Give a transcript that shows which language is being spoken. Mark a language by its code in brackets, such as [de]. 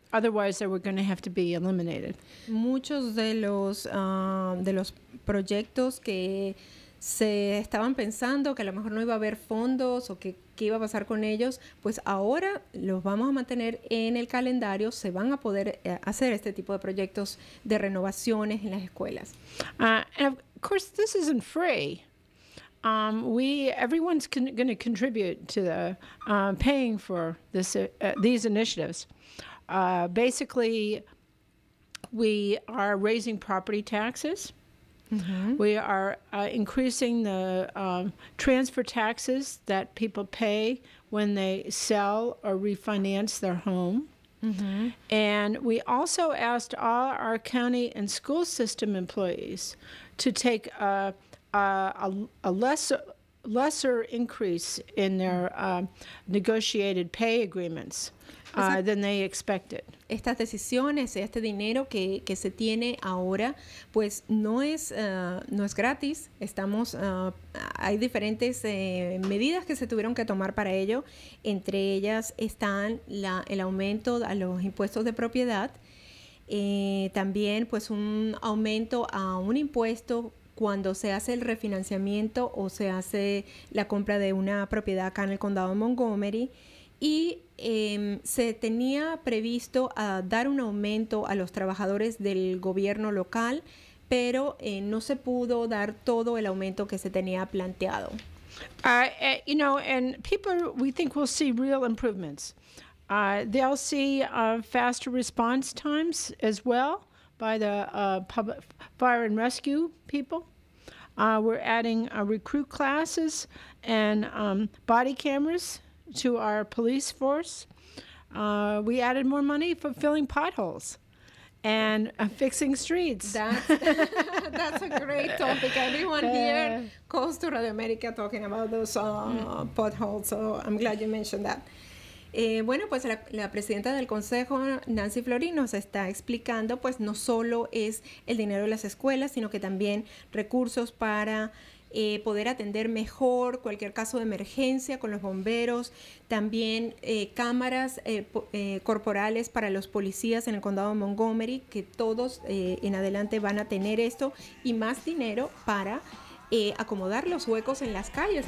[en] Otherwise, they were going to have to be eliminated. [es] Muchos de los proyectos que se estaban pensando que a lo mejor no iba a haber fondos o qué iba a pasar con ellos, pues ahora los vamos a mantener en el calendario. Se van a poder hacer este tipo de proyectos de renovaciones en las escuelas. [en] And of course, this isn't free. Everyone's going to contribute to the paying for this these initiatives. Basically, we are raising property taxes. Mm-hmm. We are increasing the transfer taxes that people pay when they sell or refinance their home. Mm-hmm. And we also asked all our county and school system employees to take a lesser increase in their negotiated pay agreements. Than they expected. [es] Estas decisiones, este dinero que se tiene ahora, pues no es gratis. Hay diferentes medidas que se tuvieron que tomar para ello. Entre ellas están el aumento a los impuestos de propiedad. También pues un aumento a un impuesto cuando se hace el refinanciamiento o se hace la compra de una propiedad acá en el condado de Montgomery. Y se tenía previsto dar un aumento a los trabajadores del gobierno local, pero no se pudo dar todo el aumento que se tenía planteado. [en] And people, we think we'll see real improvements. They'll see faster response times as well by the public fire and rescue people. We're adding recruit classes and body cameras to our police force. We added more money for filling potholes and fixing streets. That's a great topic. Everyone here calls to Radio America talking about those potholes, so I'm glad you mentioned that. [es] Bueno, pues la presidenta del Consejo, Nancy Florín, nos está explicando, pues no solo es el dinero de las escuelas, sino que también recursos para poder atender mejor cualquier caso de emergencia con los bomberos, también cámaras corporales para los policías en el condado de Montgomery, que todos en adelante van a tener esto, y más dinero para acomodar los huecos en las calles.